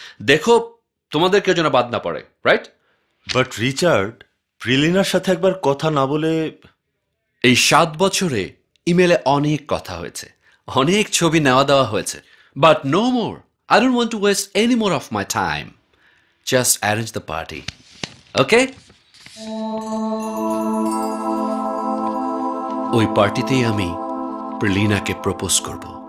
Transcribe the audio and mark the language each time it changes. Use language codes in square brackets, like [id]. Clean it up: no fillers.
[bn] দেখো তোমাদের কেউ যেন বাদ না পড়ে, রাইট? বাট রিচার্ড, প্রিলিনার সাথে একবার কথা না বলে? এই সাত বছরে ইমেলে অনেক কথা হয়েছে, অনেক ছবি নেওয়া দেওয়া হয়েছে, [en] But no more, I don't want to waste any more of my time. Just arrange the party, okay? [bn] ওই পার্টিতেই আমি প্রিলিনাকে প্রপোজ করব।